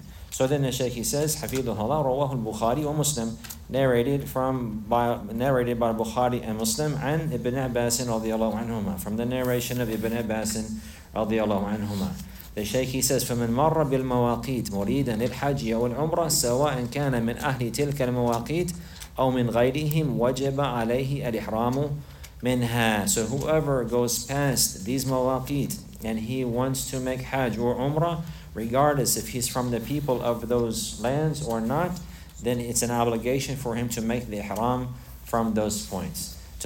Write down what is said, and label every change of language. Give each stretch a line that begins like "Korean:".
English: So then the Shaykh, he says, Hafidhullah, rawahu al-Bukhari wa Muslim, narrated by Bukhari and Muslim, and Ibn Abbas radiallahu anhumah, from the narration of Ibn Abbas radiallahu anhumah.
Arabic: The Shaykh, he says, فَمَنْ مَرَّ بِالْمَوَاقِيتِ مُرِيدًا لِلْحَجِّ وَالْعُمْرَةِ سَوَاءً كَانَ مِنْ أَهْلِ تِلْكَ الْمَوَاقِيتِ أَوْ مِنْ غَيْرِهِمْ وَجَبَ عَلَيْهِ الْإِحْرَامُ مِنْهَا.
English: So whoever goes past these mawaqit and he wants to make Hajj or Umrah, regardless if he's from the people of those lands or not, then it's an obligation for him to make the Ihram from those points.